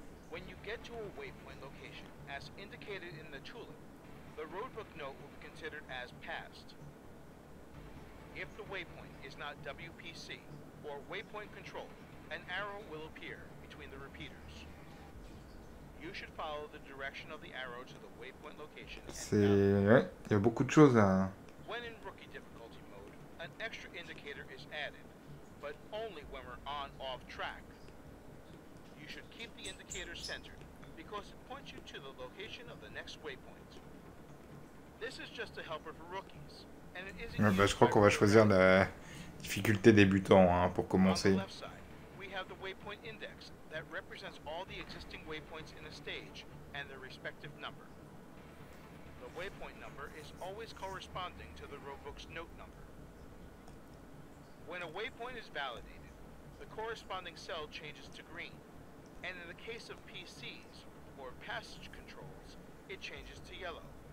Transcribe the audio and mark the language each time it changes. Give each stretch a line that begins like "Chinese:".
English: When you get to a waypoint location, as indicated in the tulip, the roadbook note will be considered as passed. If the waypoint is not WPC or waypoint control, an arrow will appear between the repeaters. You should follow the direction of the arrow to the waypoint location.
French: Il y a beaucoup de choses à.
English: When in rookie difficulty mode, an extra indicator is added, but only when we're on off track. You should keep the indicator centered because it points you to the location of the next waypoint. This is just a helper for rookies, and it isn't.
French: Bah, je crois qu'on va choisir la difficulté débutant, hein, pour commencer.
English: Have the waypoint index that represents all the existing waypoints in a stage and their respective number. The waypoint number is always corresponding to the roadbook's note number. When a waypoint is validated, the corresponding cell changes to green, and in the case of PCs or passage controls, it changes to yellow.